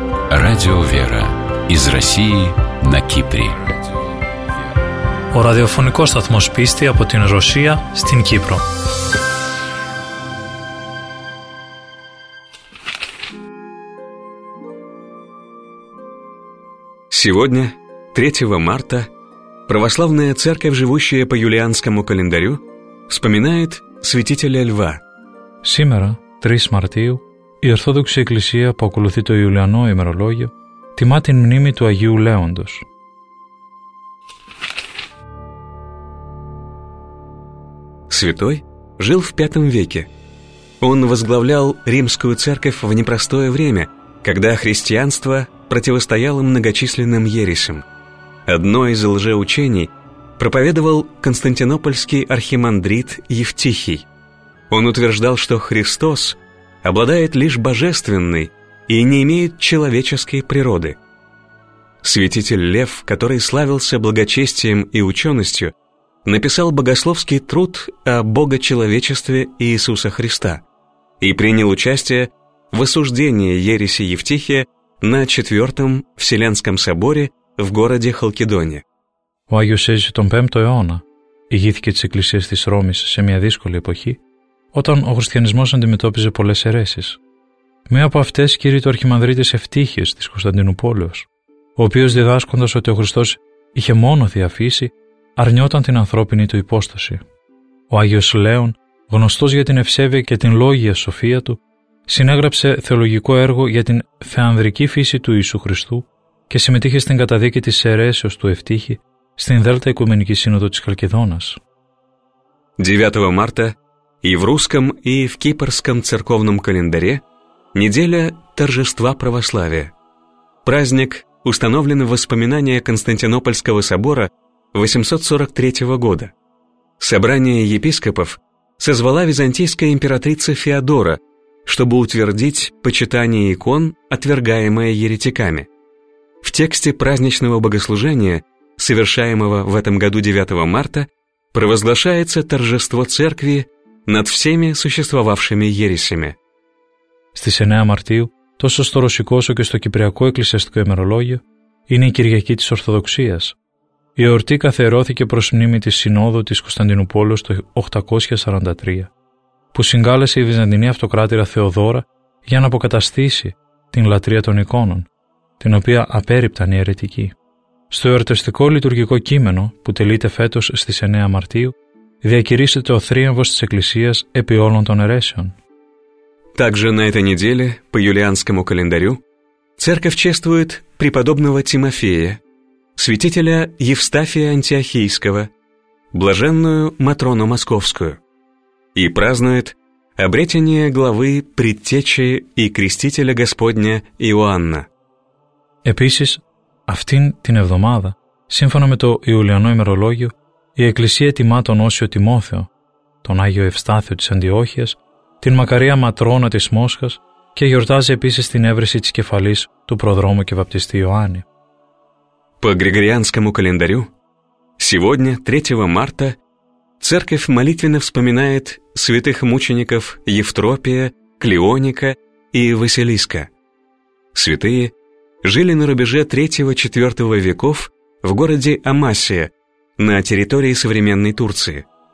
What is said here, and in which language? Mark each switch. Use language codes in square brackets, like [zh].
[ru] Радио «Вера» из России на Кипре. [el] Ο ραδιοφωνικός σταθμός πίστη από την Ρωσία στην Κύπρο. [ru] Сегодня, 3 марта, православная церковь, живущая по юлианскому календарю, вспоминает святителя Льва. Сегодня, 3 мартию, [el] η Ορθόδοξη Εκκλησία που ακολουθεί το Ιουλιανό ημερολόγιο τιμά την μνήμη του Αγίου Λέοντος. [ru] Святой жил в V веке. Он возглавлял римскую церковь в непростое время, когда христианство противостояло многочисленным ересям. Одно из лжеучений проповедовал константинопольский архимандрит Евтихий. Он утверждал, что Христос обладает лишь божественной и не имеет человеческой природы. Святитель Лев, который славился благочестием и ученостью, написал богословский труд о богочеловечестве Иисуса Христа и принял участие в осуждении ереси Евтихия на 4-м Вселенском соборе в городе Халкидоне. [el] Ο Άγιος έζησε τον 5ο αιώνα, ηγήθηκε της Εκκλησίας της Ρώμης σε μια δύσκολη εποχή, όταν ο χριστιανισμός αντιμετώπιζε πολλές αιρέσεις. Μία από αυτές κήρυττο αρχιμανδρίτης Ευτύχιος της Κωνσταντινούπολης, ο οποίος διδάσκοντας ότι ο Χριστός είχε μόνο διαφύσει, αρνιόταν την ανθρώπινη του υπόσταση. Ο Άγιος Λέων, γνωστός για την ευσέβεια και την λόγια σοφία του, συνέγραψε θεολογικό έργο για την θεανδρική φύση του Ιησού Χριστού και συμμετείχε στην καταδίκη της αιρέσεως του Ευτύχη στην Δέλτα Οικουμενική Σύνοδο της Χαλκιδόνας. [ru] 9 Μάρτα и в русском, и в кипрском церковном календаре неделя торжества православия. Праздник установлен в воспоминания Константинопольского собора 843 года. Собрание епископов созвала византийская императрица Феодора, чтобы утвердить почитание икон, отвергаемое еретиками. В тексте праздничного богослужения, совершаемого в этом году 9 марта, провозглашается торжество церкви над всеми существовавшими ересями. [el] Στις 9 Μαρτίου, τόσο στο ρωσικό όσο και στο κυπριακό εκκλησιαστικό ημερολόγιο, είναι η Κυριακή της Ορθοδοξίας. Η εορτή καθιερώθηκε προς μνήμη της Συνόδου της Κωνσταντινούπολης το 843, που συγκάλεσε η Βυζαντινή Αυτοκράτηρα Θεοδόρα για να αποκαταστήσει την λατρεία των εικόνων, την οποία απέρριπταν οι αιρετικοί. Στο εορταστικό λειτουργικό κείμενο, που τελείται φέτος στις 9 Μαρτίου, διακηρύσσεται ο θρίαμβος της Εκκλησίας επί όλων των αιρέσεων. [ru] Также на этой неделе, по юлианскому календарю, церковь чествует преподобного Тимофея, святителя Евстафия Антиохийского, блаженную Матрону Московскую, и празднует обретение главы Предтечи и Крестителя Господня Иоанна. [el] Επίσης, αυτήν την εβδομάδα, σύμφωνα με το Ιουλιανό ημερολόγιο, η Εκκλησία τιμά τον Όσιο Τιμόθεο, τον Άγιο Ευστάθιο της Αντιόχειας, την Μακαρία Ματρώνα της Μόσχας και γιορτάζει επίσης την έβρεση της κεφαλής του Προδρόμου και Βαπτιστή Ιωάννη. [ru] По Григорианскому календарю, сегодня, 3 марта, церковь молитвенно вспоминает святых мучеников Евтропия, Клеоника и Василиска. Святые жили на рубеже 3-4 веков в городе Амасия, на территории современной Турции.